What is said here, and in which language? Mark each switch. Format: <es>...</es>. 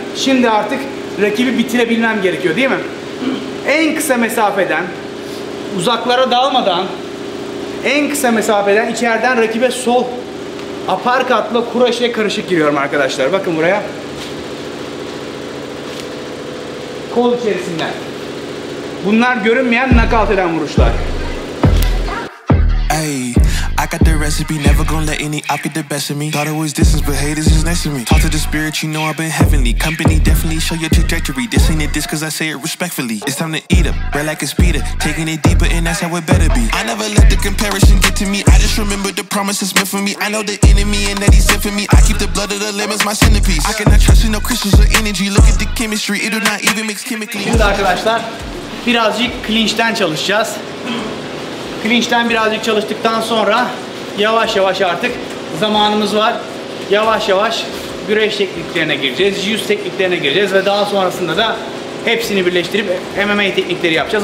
<tr>Şimdi artık rakibi bitirebilmem gerekiyor, değil mi? En kısa mesafeden, uzaklara dalmadan, en kısa mesafeden içeriden rakibe sol aparkatla kuraşe karışık giriyorum arkadaşlar. Bakın buraya. Kol içerisinden. Bunlar görünmeyen nakavt eden vuruşlar. Hey.</tr> <en>I got the recipe, never gon' let any op get the best of me. Thought it was distance, but haters is next to me. Talk to the spirit, you know I've been heavenly. Company definitely show your trajectory. This ain't a diss, cause I say it respectfully. It's time to eat up, bread like it's pita. Taking it deeper, and that's how it better be. I never let the comparison get to me. I just remember the promises meant for me. I know the enemy and that he sent for me. I keep the blood of the lambs my centerpiece. I cannot trust in no crystals or energy. Look at the chemistry, it do not even mix chemically.</en> <tr>Şimdi arkadaşlar, birazcık clinch'ten çalışacağız. Clinch'ten birazcık çalıştıktan sonra yavaş yavaş artık zamanımız var. Yavaş yavaş güreş tekniklerine gireceğiz, jiu-jitsu tekniklerine gireceğiz ve daha sonrasında da hepsini birleştirip MMA teknikleri yapacağız.</tr>